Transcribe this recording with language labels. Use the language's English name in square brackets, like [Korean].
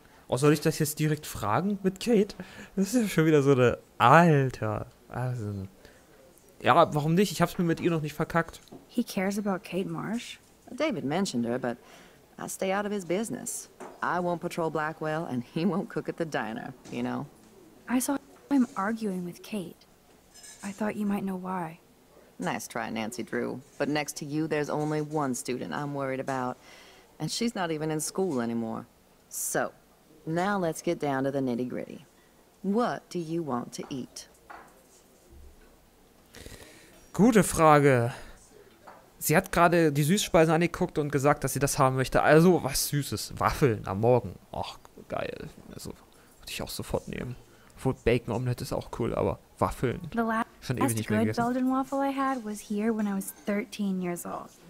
[German] Oh, soll ich das jetzt direkt fragen mit Kate? Das ist ja schon wieder so eine... Alter. Also, ja, warum nicht? Ich hab's mir mit ihr noch nicht verkackt. [English] He cares about Kate Marsh? David mentioned her, but I stay out of his business. I won't patrol Blackwell, and he won't cook at the diner, you know? I saw him arguing with Kate. I thought you might know why. Nice try, Nancy Drew. But next to you, there's only one student I'm worried about. And she's not even in school anymore. So... Now let's get down to the nitty-gritty. What do you want to eat? [German] Gute Frage. Sie hat gerade die Süßspeisen angeguckt und gesagt, dass sie das haben möchte. Also, was Süßes. Waffeln am Morgen. Ach, geil. Also, würde ich auch sofort nehmen. Obwohl, Bacon Omelette ist auch cool, aber Waffeln. [English] The last [German] schon ewig nicht mehr gegessen. [English] Belgian waffle I had was here when I was 13 years old.